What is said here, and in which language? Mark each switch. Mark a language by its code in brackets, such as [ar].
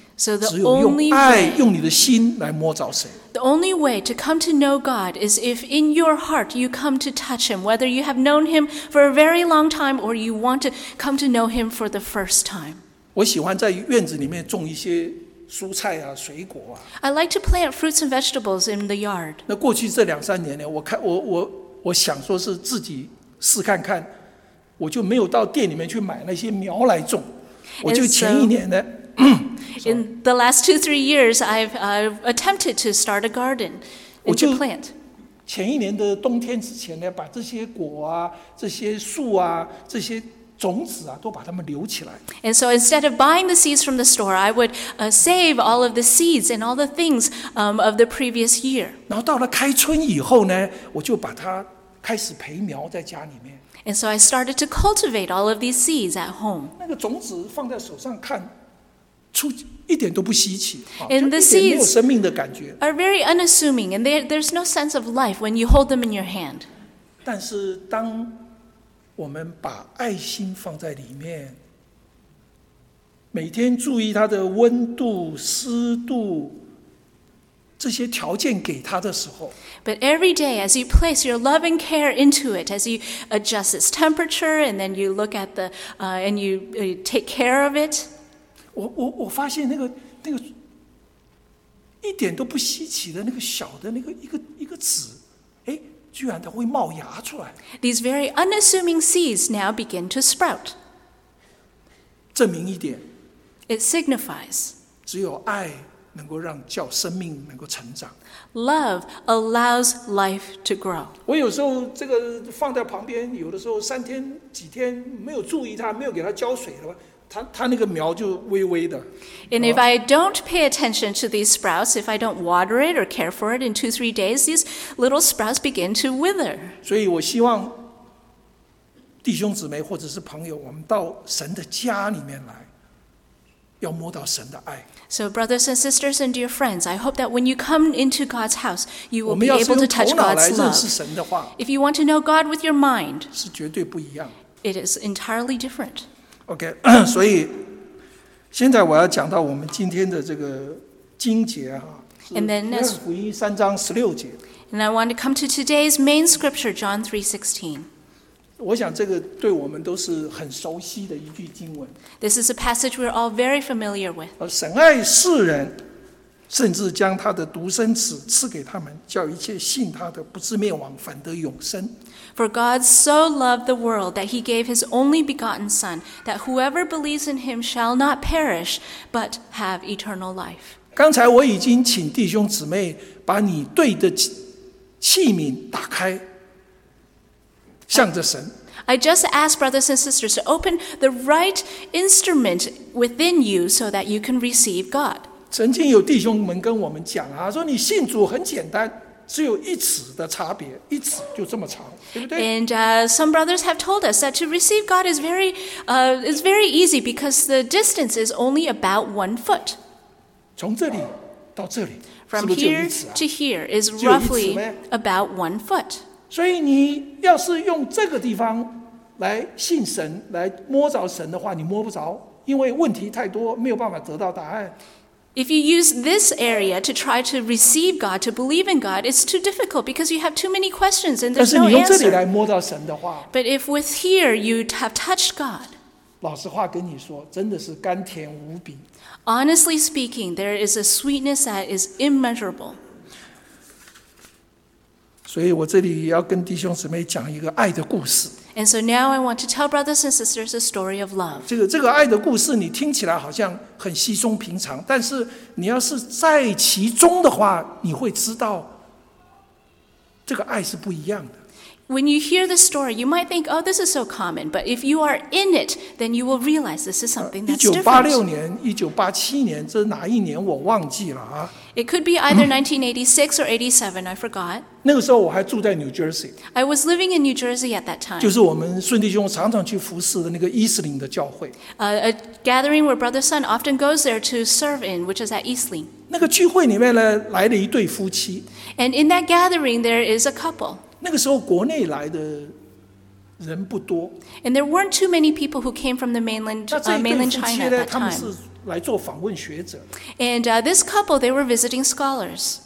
[en] So the [zh] 只有用爱，用你的心来摸着神。 [en] The only way to come to know God is if in your heart you come to touch Him, whether you have known Him for a very long time or you want to come to know Him for the first time. [zh] 我喜欢在院子里面种一些蔬菜啊，水果啊。 [en] I like to plant fruits and vegetables in the yard. [zh] 那过去这两三年呢，我想说是自己试看看，我就没有到店里面去买那些苗来种，我就前一年呢。 [en] In the last 2-3 years, I've attempted to start a garden and to plant. [zh] 前一年的冬天之前呢，把这些果啊、这些树啊、这些种子啊，都把它们留起来。 [en] And so instead of buying the seeds from the store, I would save all of the seeds and all the things of the previous year. [zh] 然后到了开春以后呢，我就把它开始培苗在家里面。 [en] And so I started to cultivate all of these seeds at home. [zh] 那个种子放在手上看。一点都不稀奇， [en] and the seeds [zh] 生命的感觉 [en] are very unassuming, and there's no sense of life when you hold them in your hand. [zh] 但是当我们把爱心放在里面，每天注意它的温度、湿度这些条件给它的时候， [en] but every day as you place your love and care into it, as you adjust its temperature, and then you look at the and you take care of it. [zh] 我发现那个一点都不稀奇的那个小的那个一个籽，哎，居然它会冒芽出来。 [en] These very unassuming seeds now begin to sprout. [zh] 证明一点。 [en] It signifies. [zh] 只有爱能够让叫生命能够成长。 [en] Love allows life to grow. [zh] 我有时候这个放在旁边，有的时候三天几天没有注意它，没有给它浇水了。它那个苗就微微的。 [en] And if I don't pay attention to these sprouts, if I don't water it or care for it in 2-3 days, these little sprouts begin to wither. [zh] 所以我希望弟兄姊妹或者是朋友，我们到神的家里面来，要摸到神的爱。 [en] So brothers and sisters and dear friends, I hope that when you come into God's house, you will be able to touch God's love. [zh] 我们要是用头脑来认识神的话， [en] if you want to know God with your mind, [zh] 是绝对不一样。 [en] It is entirely different. [zh] OK, 所以现在我要讲到我们今天的这个经节啊，是约翰福音三章十六节。 [en] And I want to come to today's main scripture, John 3:16. [zh] 我想这个对我们都是很熟悉的一句经文。 [en] This is a passage we're all very familiar with. [zh] 神爱世人，甚至将他的独生子赐给他们，叫一切信他的不至灭亡，反得永生。 [en] For God so loved the world that he gave his only begotten Son, that whoever believes in him shall not perish, but have eternal life. [zh] 刚才我已经请弟兄姊妹把你对的器皿打开，向着神。 [en] I just asked brothers and sisters to open the right instrument within you so that you can receive God. [zh] 曾经有弟兄们跟我们讲啊，说你信主很简单。只有一尺的差别，一尺就这么长，对不对 [en] ？And some brothers have told us that to receive God is very easy because the distance is only about 1 foot. [zh] 从这里到这里 [en] ，from here to here is roughly about 1 foot. [zh] 所以你要是用这个地方来信神，来摸着神的话，你摸不着，因为问题太多，没有办法得到答案。 [en] If you use this area to try to receive God, to believe in God, it's too difficult because you have too many questions and there's no answer. But if with here you have touched God, [zh] 老实话跟你说，真的是甘甜无比。 [en] Honestly speaking, there is a sweetness that is immeasurable. [zh] 所以我这里要跟弟兄姊妹讲一个爱的故事。 [en] And so now I want to tell brothers and sisters a story of love. [zh] 这个爱的故事你听起来好像很稀松平常，但是你要是在其中的话，你会知道这个爱是不一样的。 [en] When you hear the story, you might think, oh, this is so common. But if you are in it, then you will realize this is something that's different. [zh] 1986年, 这哪一年我忘记了啊。 [en] It could be either 1986 or 87, I forgot. [zh] 那个时候我还住在 New Jersey. [en] I was living in New Jersey at that time. [zh] 就是我们顺弟兄常常去服侍的那个伊士林的教会。 [en] A gathering where Brother Sun often goes there to serve in, which is at Eastling. [zh] 那个聚会里面呢，来了一对夫妻。 [en] And in that gathering, there is a couple. [zh] 那个时候国内来的人不多。 [en] And there weren't too many people who came from the mainland, mainland China at that time. [zh] 他们是来做访问学者。 [en] And this couple, they were visiting scholars.